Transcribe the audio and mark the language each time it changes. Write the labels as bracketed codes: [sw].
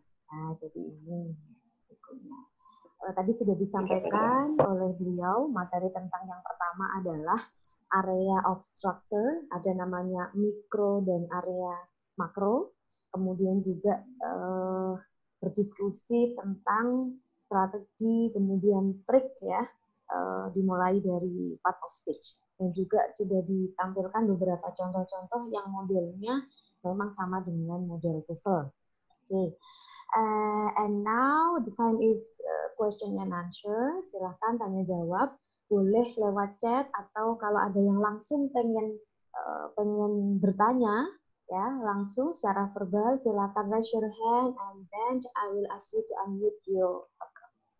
[id] Nah, jadi ini tadi sudah disampaikan oleh beliau materi tentang yang pertama adalah [en] area of structure, [id] ada namanya mikro dan area makro, kemudian juga berdiskusi tentang strategi, kemudian trik ya, dimulai dari part of speech, dan juga sudah ditampilkan beberapa contoh-contoh yang modelnya memang sama dengan model TOEFL. Oke. [en] And now the time is question and answer. [id] Silakan tanya jawab. Boleh lewat chat atau kalau ada yang langsung pengen bertanya, ya langsung secara verbal. Silakan [en] raise your hand and then I will ask you to unmute your account.